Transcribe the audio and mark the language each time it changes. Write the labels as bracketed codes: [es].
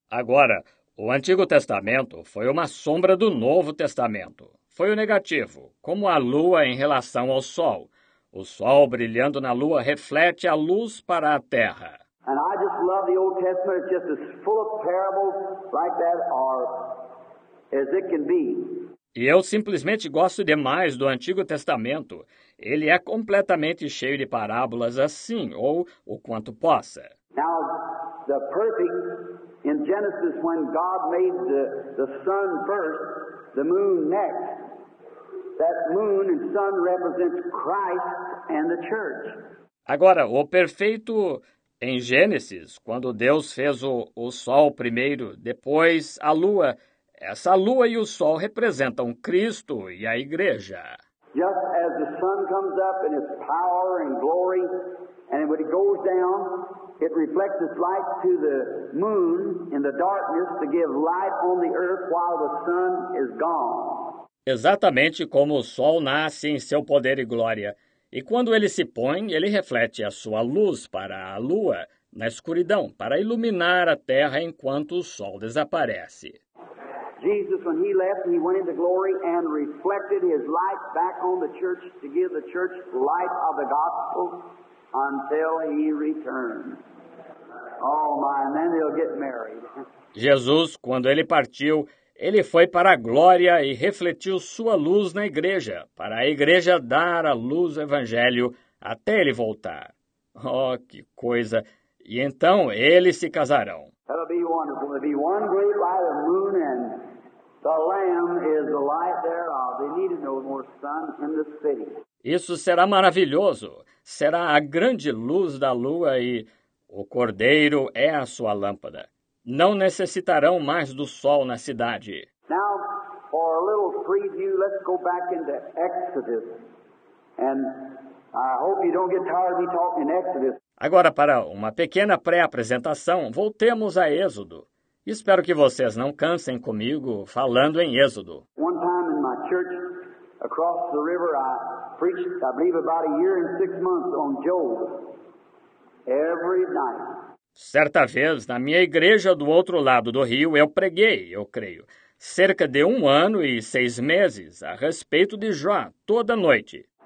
[pt] Agora, o Antigo Testamento foi uma sombra do Novo Testamento. Foi o negativo, como a lua em relação ao sol. O sol brilhando na lua reflete a luz para a terra. [en] And I just love the Old Testament. It's just as full of parables like that are as it can be. [pt] E eu simplesmente gosto demais do Antigo Testamento. Ele é completamente cheio de parábolas assim, ou o quanto possa. [en] Now, the perfect in Genesis when God made the sun first, the moon next. That moon and sun represents Christ and the church. [pt] Agora, o perfeito em Gênesis, quando Deus fez o sol primeiro, depois a lua, essa lua e o sol representam Cristo e a igreja. [en] Just as the sun comes up in its power and glory, and when it goes down, it reflects its light to the moon in the darkness to give light on the earth while the sun is gone. [pt] Exatamente como o sol nasce em seu poder e glória. E quando ele se põe, ele reflete a sua luz para a lua, na escuridão, para iluminar a terra enquanto o sol desaparece. [en] Jesus, when he left, he went into glory and reflected his light back on the church to give the church light of the gospel until he returned. Oh, my, and then they'll get married. [pt] Jesus, quando ele partiu, ele foi para a glória e refletiu sua luz na igreja, para a igreja dar a luz ao evangelho até ele voltar. Oh, que coisa! E então eles se casarão. [en] That'll be wonderful. There'll be one great light of moon, and the Lamb is the light thereof. They need no more sun in the city. [pt] Isso será maravilhoso. Será a grande luz da lua e o Cordeiro é a sua lâmpada. Não necessitarão mais do sol na cidade. [en] Now, for a little preview, let's go back into Exodus. And I hope you don't get tired of me talking Exodus. [pt] Agora, para uma pequena pré-apresentação, voltemos a Êxodo. Espero que vocês não cansem comigo falando em Êxodo. [en] One time in my church across the river, I preached, I believe, about a year and six months on Job. Every night. [pt] Certa vez, na minha igreja do outro lado do rio, eu preguei, eu creio, cerca de um ano e seis meses a respeito de Jó, toda noite.